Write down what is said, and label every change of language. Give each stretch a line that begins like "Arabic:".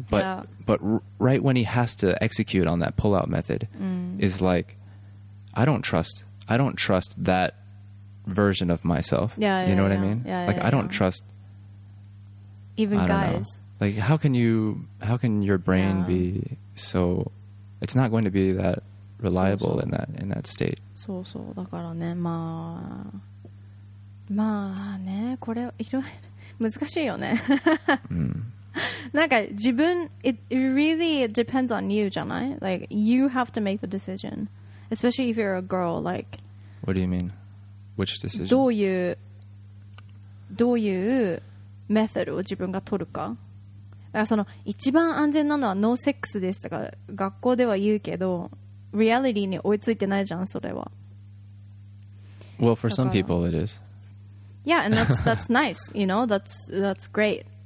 English: But, but right when he has to execute on that pull-out method is like, I don't trust that version of myself. You know what I mean? I don't trust... Even I don't guys. Know. Like, how can your brain be so... It's not going to be that reliable in that state.
Japanese: そうそう、だからね、まあ、まあね、これいろいろ難しいよね。なんか自分
English: it really depends on you
Japanese: じゃない?
English: Like you have to make the decision, especially if you're a girl. Like, what do you mean? Which decision?
Japanese: どういうメソッドを自分が取るか。だからその一番安全なのはノーセックスですとか学校では言うけど、リアリティに追いついてないじゃんそれは。
English: Well, for some people it is. Yeah, and that's nice, you know, that's great.